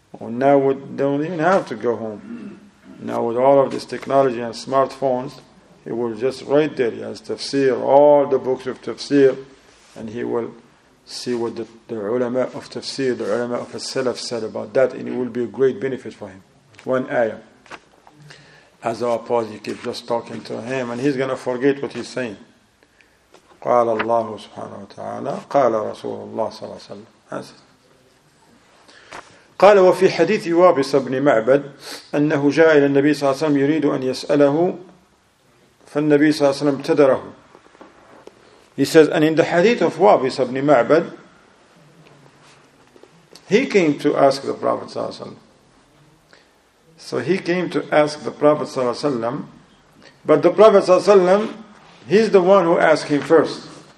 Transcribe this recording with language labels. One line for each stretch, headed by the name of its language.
English: Well, now we don't even have to go home. Now with all of this technology and smartphones, he will just right there, he has tafsir, all the books of tafsir, and he will see what the ulama of tafsir, the ulama of the salaf said about that, and it will be a great benefit for him. one ayah. As our apostle, he keeps just talking to him, and he's going to forget what he's saying.
Arabic: قال الله سبحانه وتعالى قال رسول الله صلى الله عليه وسلم. قال وفي حديث وابس بن معبد أنه جاء إلى النبي صلى الله عليه وسلم يريد أن يسأله فالنبي صلى الله عليه وسلم ابتدره.
English: He says, and in the hadith of Wabis ibn Ma'bad, he came to ask the Prophet sallallahu alaihi wasallam. So he came to ask the Prophet sallallahu alaihi wasallam, but the Prophet sallallahu alaihi wasallam, he's the one who asked him first.